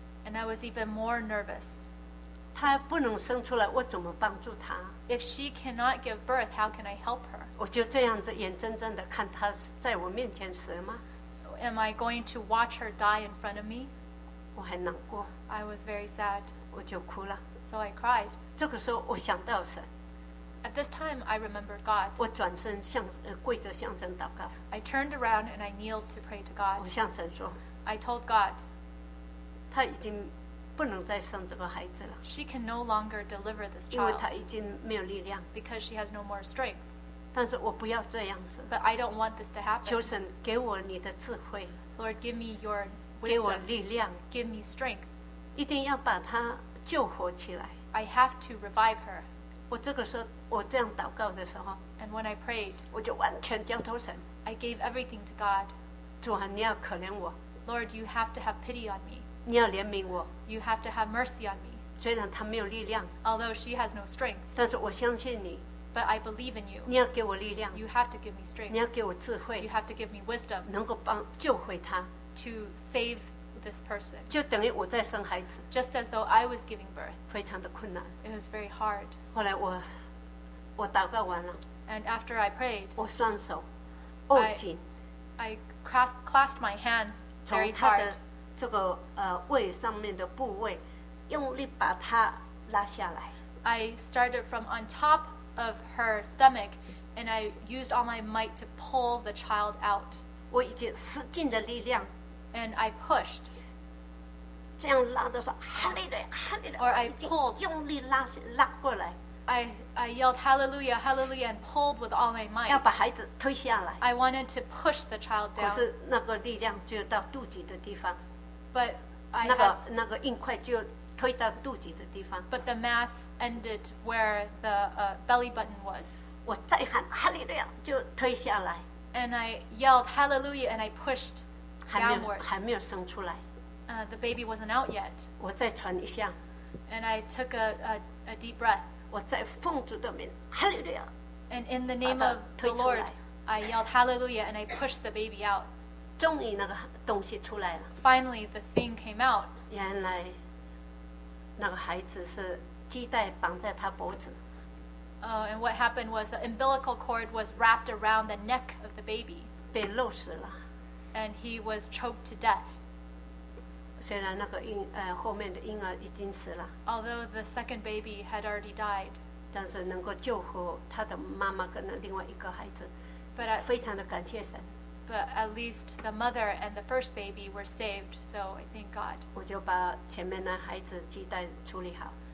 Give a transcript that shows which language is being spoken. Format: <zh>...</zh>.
<en>And I was even more nervous.</en> <zh>她不能生出来，我怎么帮助她？</zh> <en>If she cannot give birth, how can I help her?</en> <zh>我就这样子眼睁睁地看她在我面前死吗？</zh> <en>Am I going to watch her die in front of me?</en> <zh>我很难过。</zh> <en>I was very sad.</en> <zh>我就哭了。</zh> <en>So I cried.</en> <zh>这个时候我想到神。</zh> <en>At this time, I remembered God.</en> <zh>我转身向跪着向神祷告。</zh> <en>I turned around and I kneeled to pray to God.</en> <zh>我向神说。</zh> <en>I told God.</en> <zh>她已经不能再生这个孩子了。</zh> <en>She can no longer deliver this child.</en> <zh>因为她已经没有力量。</zh> <en>Because she has no more strength.</en> <zh>但是我不要这样子。</zh> <en>But I don't want this to happen.</en> <zh>求神给我你的智慧。</zh> <en>Lord, give me your wisdom.</en> <zh>给我力量。</zh> <en>Give me strength.</en> <zh>一定要把她救活起来。</zh> <en>I have to revive her.</en> <zh>我这个时候我这样祷告的时候</zh> <en>And when I prayed,</en> <zh>我就完全交托神</zh> <en>I gave everything to God</en> <zh>主啊你要可怜我</zh> <en>Lord you have to have pity on me</en> <zh>你要怜悯我</zh> <en>You have to have mercy on me</en> <zh>虽然她没有力量</zh> <en>Although she has no strength</en> <zh>但是我相信你</zh> <en>But I believe in you</en> <zh>你要给我力量</zh> <en>You have to give me strength</en> <zh>你要给我智慧</zh> <en>You have to give me wisdom</en> <zh>能够帮救回她</zh> <en>To saveThis person.</en> <zh>就等于我在生孩子。</zh> <en>Just as though I was giving birth.</en> <zh>非常的困难。</zh> <en>It was very hard.</en> <zh>后来我祷告完了。</zh> <en>And after I prayed,</en> <zh>我双手握紧。</zh> <en>I clasped my hands very hard.</en> <zh>从她的这个胃上面的部位，用力把它拉下来。</zh> <en>I started from on top of her stomach, and I used all my might to pull the child out.</en> <zh>我已经使尽的力量。</zh> <en>And I pushed.</en> <zh>这样拉的时候，哈利路亚，哈利路亚。</zh> <en>Or I pulled.</en> <zh>用力拉过来。</zh> <en>I yelled hallelujah, hallelujah, and pulled with all my might.</en> <zh>要把孩子推下来。</zh> <en>I wanted to push the child down.</en> <zh>可是那个力量就到肚脐的地方。</zh> <en>But I</en> <zh>那个硬块就推到肚脐的地方。</zh> <en>But the mass ended where the belly button was.</en> <zh>我再喊哈利路亚就推下来。</zh> <en>And I yelled hallelujah, and I pushed.</en> <zh>还没有生出来。</zh> <en>The baby wasn't out yet.</en> <zh>我再喘一下。</zh> <en>And I took a deep breath.</en> <zh>我在奉主的名，哈利路亚。</zh> <en>And in the name of the Lord, I yelled hallelujah and I pushed the baby out.</en> <zh>终于那个东西出来了。</zh> <en>Finally, the thing came out.</en> <zh>原来那个孩子是系带绑在他脖子。</zh> <en>And what happened was the umbilical cord was wrapped around the neck of the baby.</en> <zh>被勒死了。</zh> <en>And he was choked to death.</en> <zh>虽然那个后面的婴儿已经死了。</zh> <en>Although the second baby had already died.</en> <zh>但是能够救活他的妈妈跟另外一个孩子，非常的感谢神。</zh> <en>But at least the mother and the first baby were saved, so I thank God.</en> <zh>我就把前面那孩子鸡蛋处理好。</zh>